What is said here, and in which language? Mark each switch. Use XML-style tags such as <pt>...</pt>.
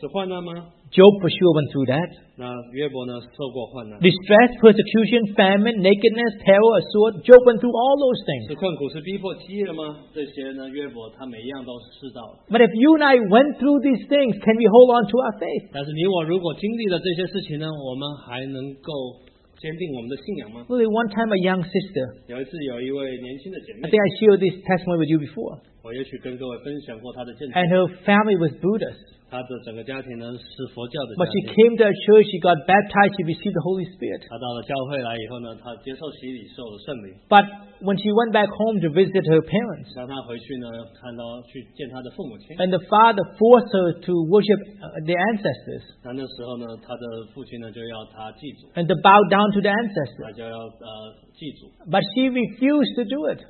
<zh>是患难吗?</zh> <en>Job for sure went through that.</en> <zh>那约伯呢,</zh> <en>distress, persecution, famine, nakedness, peril, a sword. Job went through all those things.</en> <zh>是困苦,是逼迫,饥饿吗?这些呢, 约伯,</zh> <en>but if you and I went through these things, can we hold on to our faith?</en> <zh>但是你我如果经历了这些事情呢, 我们还能够 坚定我们的信仰吗?</zh> <en>Really, one time a young sister,</en> <zh>有一次有一位年轻的姐妹,</zh> <en>I think I shared this testimony with you before. And her family was Buddhist.</en> <zh>她的整个家庭呢,</zh> <en>but she came to a church, she got baptized, she received the Holy Spirit.</en> <zh>她到了教会来以后呢, 她接受洗礼,</zh> <en>but when she went back home to visit her parents,</en> <zh>让她回去呢, 看到,</zh> <en>and the father forced her to worship the ancestors,</en> <zh>那时候呢, 她的父亲呢,</zh> <en>and to bow down to the ancestors.</en> <zh>她就要,</zh> <en>but she refused to do it.</en>